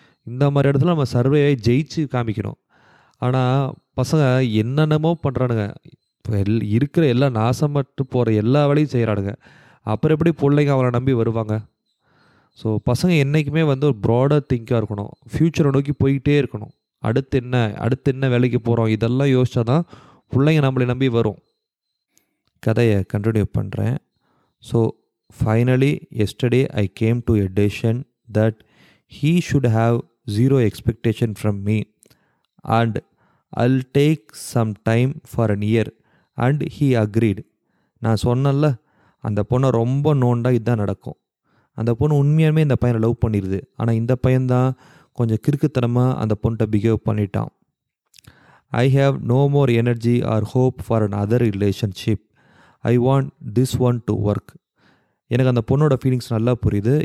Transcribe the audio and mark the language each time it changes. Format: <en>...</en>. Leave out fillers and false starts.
<ta>இந்த மாதிரி இடத்துல நம்ம சர்வேயை ஜெயிச்சு காமிக்கணும். ஆனால் பசங்க என்னென்னமோ பண்ணுறானுங்க, இருக்கிற எல்லா நாசப்பட்டு போகிற எல்லா வேலையும் செய்கிறானுங்க. அப்புறம் எப்படி பிள்ளைங்க அவளை நம்பி வருவாங்க? ஸோ பசங்க என்றைக்குமே வந்து ஒரு ப்ராடர் திங்காக இருக்கணும், ஃப்யூச்சரை நோக்கி போயிட்டே இருக்கணும். அடுத்து என்ன வேலைக்கு போகிறோம் இதெல்லாம் யோசித்தா தான் பிள்ளைங்க நம்மளை நம்பி வரும். கதையை கண்டினியூ பண்ணுறேன்.</ta> <en>So finally yesterday I came to a decision that he should have zero expectation from me and I'll take some time for a year, and he agreed.</en> <ta>நான் சொன்னல அந்த பொண்ணை ரொம்ப நோண்டா இதுதான் நடக்கும். அந்த பொண்ணு உண்மையாலுமே இந்த பையனை லவ் பண்ணிடுது. ஆனால் இந்த பையன்தான் கொஞ்சம் கிறுக்குத்தனமாக அந்த பொண்ணை பிஹேவ் பண்ணிட்டான்.</ta> <en>I have no more energy or hope for another relationship. I want this one to work.</en> <ta>எனக்கு அந்த பொண்ணோட ஃபீலிங்ஸ் நல்லா புரியுது.</ta>